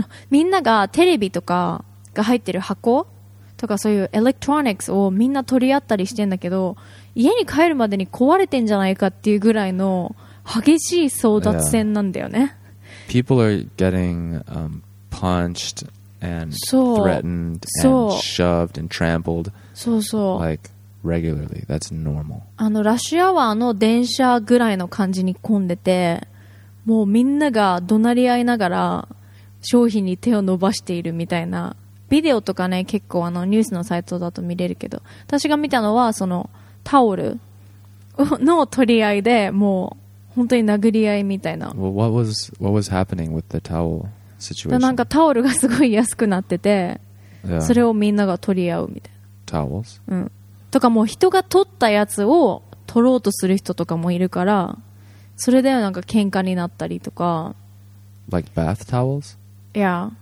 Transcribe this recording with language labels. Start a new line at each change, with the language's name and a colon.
Japanese: みんながテレビとかが入ってる箱とかそういうエレクトロニクスをみんな取り合ったりしてんだけど、家に帰るまでに壊れてんじゃないかっていうぐらいの激しい争奪戦なんだよね。
English: Yeah. People are getting punched and threatened and shoved and trampled like regularly. That's normal.
Japanese: ラッシュアワーの電車ぐらいの感じに混んでて、もうみんなが怒鳴り合いながら商品に手を伸ばしているみたいな。ビデオとかね、結構ニュースのサイトだと見れるけど、私が見たのはそのタオルの取り合いで、もう本当に殴り合いみたいな。
English: Well, what was happening with the towel situation?
Japanese: なんかタオルがすごい安くなってて、
English: yeah.
Japanese: それをみんなが取り合うみたいな。
English: Towels?
Japanese: うん。とかもう人が取ったやつを取ろうとする人とかもいるから、それでなんか喧嘩になったりとか。
English: Like bath towels? Yeah.